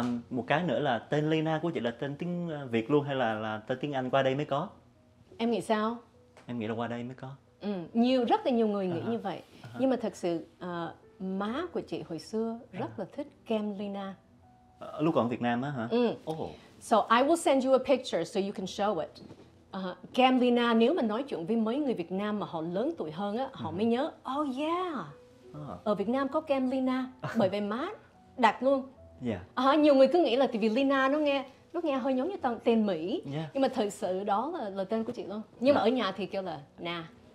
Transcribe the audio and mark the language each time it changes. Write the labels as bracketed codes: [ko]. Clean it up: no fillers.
[vi] Một cái nữa là tên Lena của chị là tên tiếng Việt luôn hay là tên tiếng Anh qua đây mới có? Em nghĩ sao? Em nghĩ là qua đây mới có. Nhiều, rất là nhiều người nghĩ như vậy. Nhưng mà thật sự, má của chị hồi xưa rất là thích kem Lena. Lúc còn Việt Nam á hả? [en] So I will send you a picture so you can show it. [vi] Kem Lena, nếu mà nói chuyện với mấy người Việt Nam mà họ lớn tuổi hơn á, họ mới nhớ, [en] oh yeah. [vi] Ở Việt Nam có kem Lena, bởi vì má đặt luôn. Yeah. Nhiều người cứ nghĩ là vì Lena nó nghe hơi giống như tên Mỹ. Yeah. Nhưng mà thực sự đó là tên của chị luôn. Nhưng mà ở nhà thì kêu là Na.